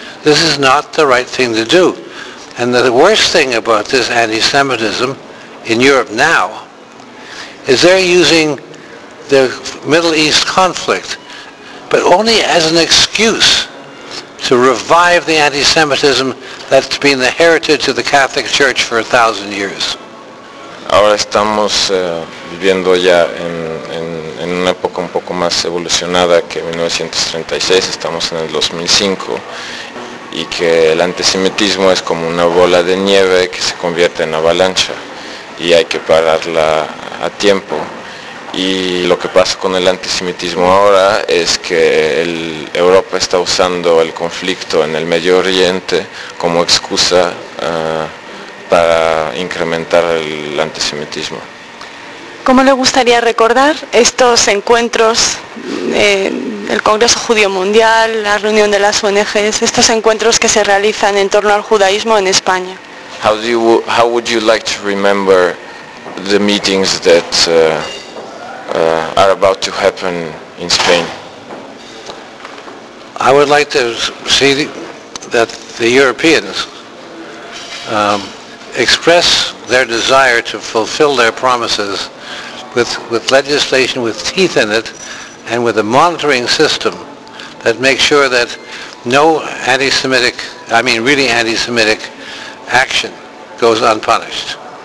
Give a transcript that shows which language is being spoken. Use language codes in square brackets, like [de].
[en] This is not the right thing to do. And the worst thing about this anti-Semitism in Europe now is they're using the Middle East conflict, but only as an excuse to revive the anti-Semitism that's been the heritage of the Catholic Church for 1,000 years. [es] Ahora estamos viviendo ya en una época un poco más evolucionada que 1936, estamos en el 2005, y que el antisemitismo es como una bola de nieve que se convierte en avalancha y hay que pararla a tiempo. Y lo que pasa con el antisemitismo ahora es que Europa está usando el conflicto en el Medio Oriente como excusa para incrementar el antisemitismo. ¿Cómo le gustaría recordar estos encuentros, el Congreso Judío Mundial, la reunión de las ONGs, estos encuentros que se realizan en torno al judaísmo en España? [en] How would you like to remember the meetings that are about to happen in Spain? I would like to see that the Europeans express their desire to fulfill their promises with legislation with teeth in it and with a monitoring system that makes sure that no anti-Semitic, I mean really anti-Semitic action goes unpunished.